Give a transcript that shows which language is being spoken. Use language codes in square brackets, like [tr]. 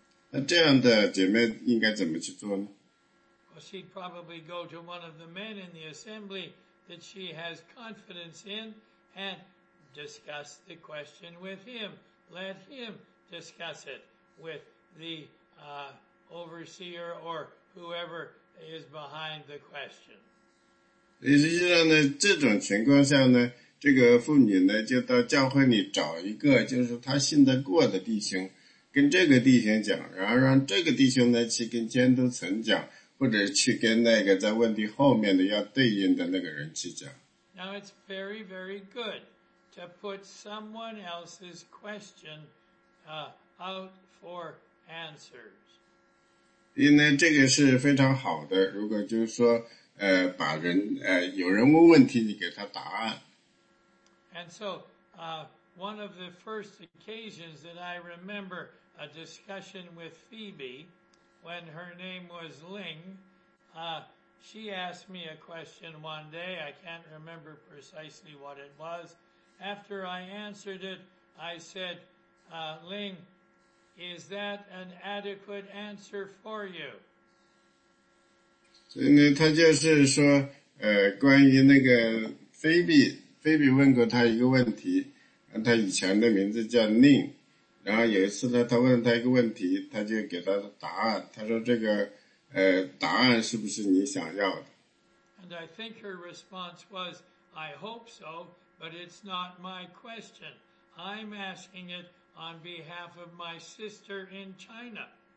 [zh] 那这样的姐妹应该怎么去做呢？ [en] Well, she'd probably go to one of the men in the assembly that she has confidence in. And discuss the question with him. Let him discuss it with the overseer or whoever is behind the question. [zh] 实际上呢，这种情况下呢，这个妇女呢就到教会里找一个就是她信得过的弟兄，跟这个弟兄讲，然后让这个弟兄呢去跟监督层讲，或者去跟那个在问题后面的要对应的那个人去讲。 [en] Now it's very, very good to put someone else's question out for answers. [zh] 因为这个是非常好的，如果就是说把人有人问问题，你给他答案。 [en] And so, one of the first occasions that I remember a discussion with Phoebe, when her name was Ling, She asked me a question one day, I can't remember precisely what it was. After I answered it, I said, Ling, is that an adequate answer for you? [zh] 所以呢，他就是说，关于那个菲比问过他一个问题，他以前的名字叫宁，然后有一次呢，他问他一个问题，他就给他答案，他说这个答案是不是你想要的 [en] ？And I think her response was, "I hope so, but it's not my question. I'm asking it on behalf of my sister in China."